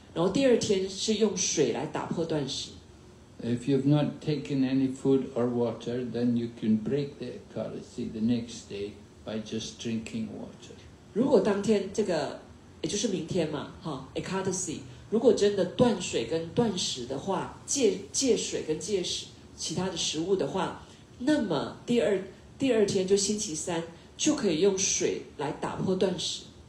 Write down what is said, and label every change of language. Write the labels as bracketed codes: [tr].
[zh] 然后第二天是用水来打破断食。 [en] If you've not taken any food or water, then you can break the ecstasy the next day by just drinking water. [zh] 如果当天这个，也就是明天嘛，哈 ，ecstasy。如果真的断水跟断食的话 戒水跟戒食其他的食物的话那么第二天就星期三就可以用水来打破断食、